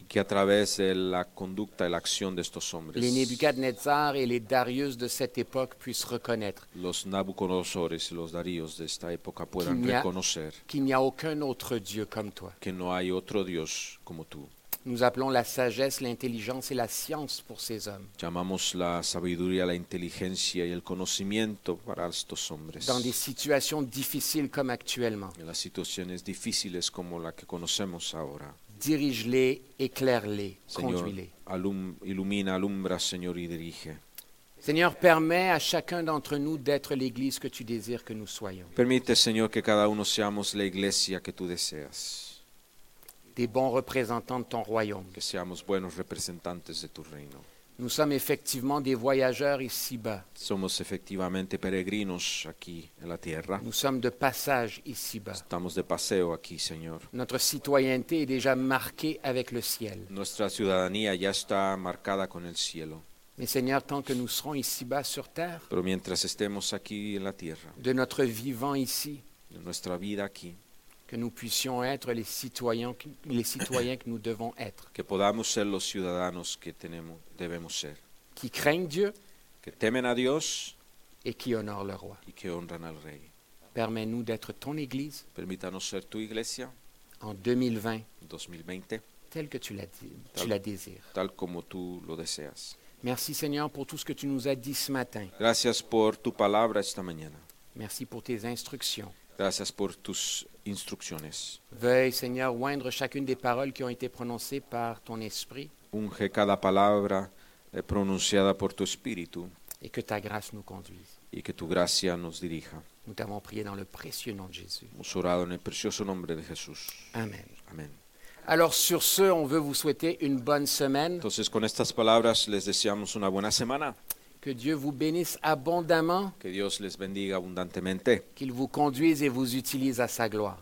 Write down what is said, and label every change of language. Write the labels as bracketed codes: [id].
[es] Que a través de la conducta y la acción de estos hombres. [fr] Les Nebuchadnezzar et les Darius de cette époque puissent reconnaître. [es] Los Nabucodonosores y los Darius de esta época puedan reconocer. [fr] Qu'il n'y a aucun autre Dieu comme toi. [es] Que no hay otro Dios como tú. [fr] Nous appelons la sagesse, l'intelligence et la science pour ces hommes. [es] Llamamos la sabiduría, la inteligencia y el conocimiento para estos hombres. [fr] Dans des situations difficiles comme actuellement. [es] En las situaciones difíciles como la que conocemos ahora. [fr] Dirige-les, éclaire-les, conduis-les. [es] Ilumina, alumbra, Señor, y dirige. [fr] Seigneur, permet à chacun d'entre nous d'être l'Église que tu désires que nous soyons. [es] Permite, Señor, que cada uno seamos la Iglesia que tú deseas. [fr] Des bons représentants de ton royaume. [es] Que seamos buenos representantes de tu reino. [fr] Nous sommes effectivement des voyageurs ici-bas. [es] Somos efectivamente peregrinos aquí en la tierra. [fr] Nous sommes de passage ici-bas. [es] Estamos de paseo aquí, Señor. [fr] Notre citoyenneté est déjà marquée avec le ciel. [es] Nuestra ciudadanía ya está marcada con el cielo. [fr] Mais Seigneur, tant que nous serons ici-bas sur terre. [es] Pero mientras estemos aquí en la tierra. [fr] De notre vivant ici. [es] De nuestra vida aquí. [fr] Que nous puissions être les citoyens que nous devons être. [es] Que podamos ser los ciudadanos que tenemos, debemos ser. [fr] Qui craignent Dieu. [es] Que temen a Dios. [fr] Et qui honorent le roi. [es] Y que honran al rey. [fr] Permets-nous d'être ton église. [es] Permítanos ser tu iglesia. [fr] en 2020, 2020 tel que tu l'as dit, tu la désires. [es] Tal como tú lo deseas. [fr] Merci Seigneur pour tout ce que tu nous as dit ce matin. [es] Gracias por tu palabra esta mañana. [fr] Merci pour tes instructions. [es] Gracias por tus instrucciones. [fr] Veuille Seigneur oindre chacune des paroles qui ont été prononcées par ton esprit. [es] Unge cada palabra pronunciada por tu espíritu. [fr] Et que ta grâce nous conduise. [es] Y que tu gracia nos dirija. [fr] Nous t'avons prié dans le précieux nom de Jésus. [es] Hemos orado en el precioso nombre de Jesús. Amen. Amen. [fr] Alors sur ce, on veut vous souhaiter une bonne semaine. [es] Entonces con estas palabras les deseamos una buena semana. [fr] Que Dieu vous bénisse abondamment. [es] Que Dios les bendiga abundantemente. [fr] Qu'il vous conduise et vous utilise à sa gloire.